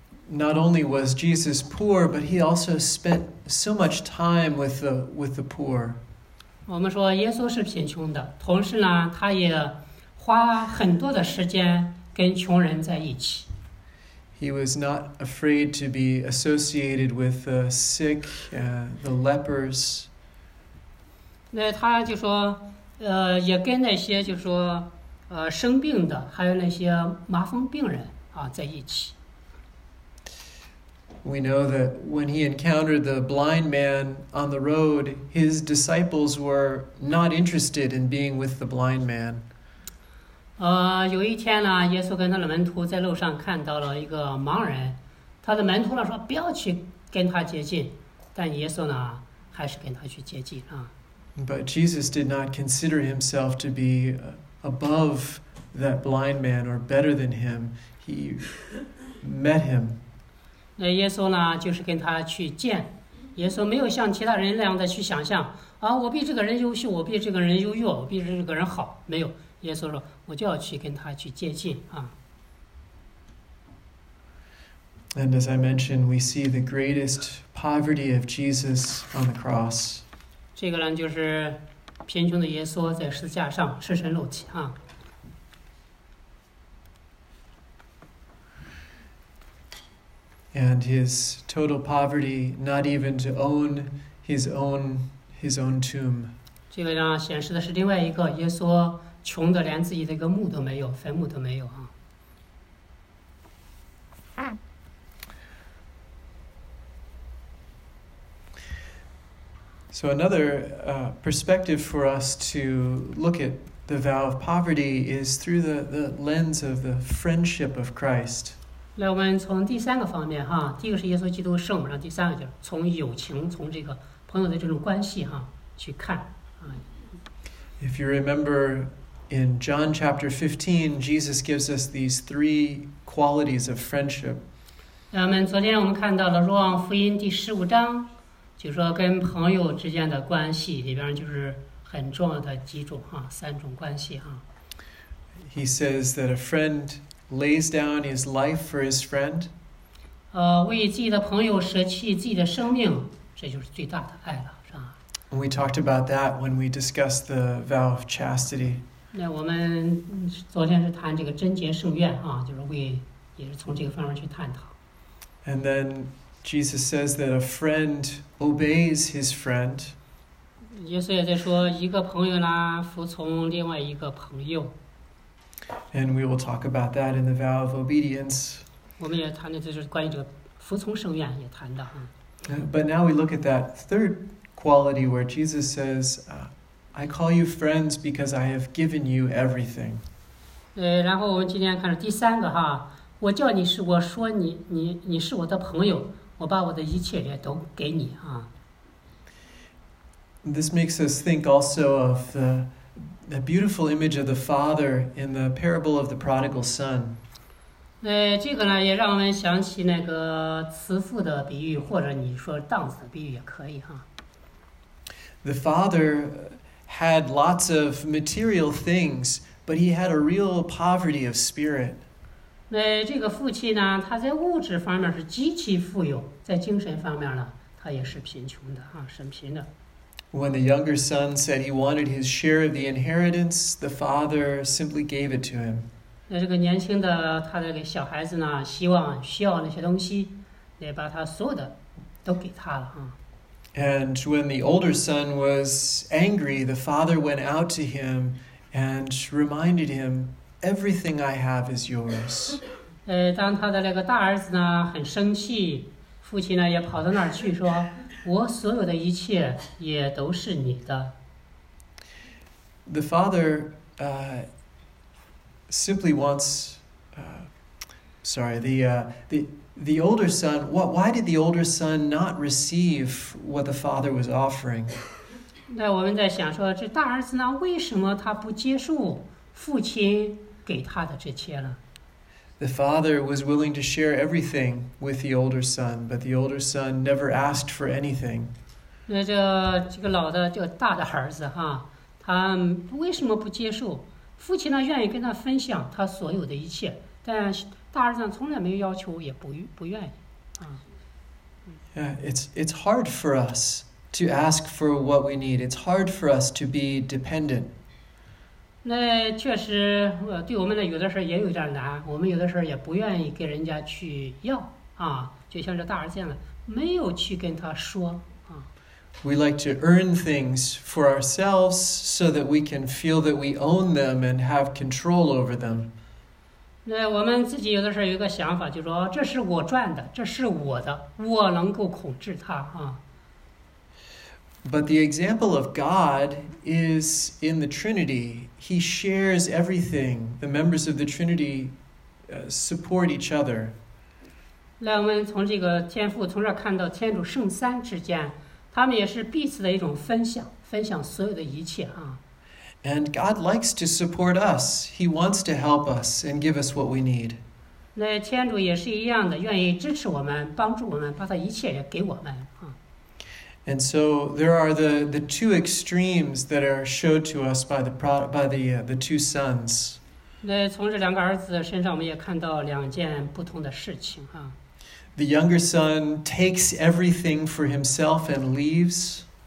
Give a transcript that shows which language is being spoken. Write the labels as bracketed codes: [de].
[en] Not only was Jesus poor, but he also spent so much time with the poor. [zh] 我们说耶稣是贫穷的，同时呢，他也花很多的时间跟穷人在一起。 [en] He was not afraid to be associated with the sick, the lepers. [zh] 那他就说，也跟那些就说，生病的，还有那些麻风病人啊，在一起。 [en] We know that when he encountered the blind man on the road, his disciples were not interested in being with the blind man. [zh] 有一天呢，耶稣跟他的门徒在路上看到了一个盲人，他的门徒呢说不要去跟他接近，但耶稣呢还是跟他去接近啊。 [en] But Jesus did not consider himself to be above that blind man or better than him. He met him. [zh] 那耶稣呢，就是跟他去见。耶稣没有像其他人那样的去想象啊，我比这个人优秀，我比这个人优越，我比这个人好，没有。耶稣说，我就要去跟他去接近啊。 [en] And as I mentioned, we see the greatest poverty of Jesus on the cross. [zh] 这个呢，就是贫穷的耶稣在十字架上赤身露体啊。 [en] And his total poverty, not even to own his own tomb. [zh] 这个呢，显示的是另外一个耶稣穷的连自己的一个墓都没有，坟墓都没有啊。 [en] So another perspective for us to look at the vow of poverty is through the lens of the friendship of Christ. [zh] 来，我们从第三个方面哈，第一个是耶稣基督圣母，然后第三个就是从友情，从这个朋友的这种关系哈去看啊。 [en] If you remember, in John chapter 15, Jesus gives us these three qualities of friendship. [zh] 那我们昨天我们看到了《若望福音》第十五章。就是说跟朋友之间的关系里边就是很重要的几种啊，三种关系啊。 [en] He says that a friend lays down his life for his friend. [zh] 为自己的朋友舍弃自己的生命，这就是最大的爱了，是吧？ [en] We talked about that when we discussed the vow of chastity. [zh] 那我们昨天是谈这个贞洁圣愿啊，就是为也是从这个方面去探讨。 [en] And then Jesus says that a friend obeys his friend. [zh] 耶稣也在说一个朋友呢服从另外一个朋友。 [en] And we will talk about that in the vow of obedience. [zh] 我们也谈的就是关于这个服从圣愿也谈到。 [en] But now we look at that third quality where Jesus says, I call you friends because I have given you everything. [zh] 然后我们今天看第三个哈，我叫你是我说你你是我的朋友。我把我的一切也都给你啊。 [en] This makes us think also of the beautiful image of the father in the parable of the prodigal son. [zh] 这个呢也让我们想起那个慈父的比喻，或者你说荡子的比喻也可以哈。 [en] The father had lots of material things, but he had a real poverty of spirit. [zh] 这个父亲呢，他在物质方面是极其富有，在精神方面呢，他也是贫穷的啊，很贫的。 [en] When the younger son said he wanted his share of the inheritance, the father simply gave it to him. [zh] 那这个年轻的他的小孩子呢，希望需要那些东西，也把他所有的都给他了啊。 [en] And when the older son was angry, the father went out to him and reminded him. Everything I have is yours. [zh] 当他的那个大儿子呢很生气，父亲呢也跑到那儿去说，我所有的一切也都是你的。 [en] The father, simply wants, sorry, the older son. What? Why did the older son not receive what the father was offering? [zh] 那我们在想说，这大儿子呢，为什么他不接受父亲？给他的这些了。 [en] The father was willing to share everything with the older son, but the older son never asked for anything. [zh] 那这个老的叫大的儿子哈，他为什么不接受？父亲呢愿意跟他分享他所有的一切，但大儿子从来没有要求，也不愿意啊。 [en] Yeah, it's hard for us to ask for what we need. It's hard for us to be dependent. [zh] 那确实，对我们呢，有的时候也有点难。我们有的时候也不愿意跟人家去要啊，就像这大儿子呢，没有去跟他说啊。 [en] We like to earn things for ourselves so that we can feel that we own them and have control over them. [zh] 那我们自己有的时候有一个想法，就是说这是我赚的，这是我的，我能够控制它啊。 [en] But the example of God is in the Trinity. He shares everything. The members of the Trinity support each other. [zh] 让我们从这个天父，从这看到天主圣三之间，他们也是彼此的一种分享，分享所有的一切啊。 [en] And God likes to support us. He wants to help us and give us what we need. [zh] 那天主也是一样的，愿意支持我们，帮助我们，把他一切也给我们。 [en] And so there are the two extremes that are showed to us by the two sons. [zh] 那从这两个儿子身上，我们也看到两件不同的事情啊。 [en] The younger son takes everything for himself and leaves.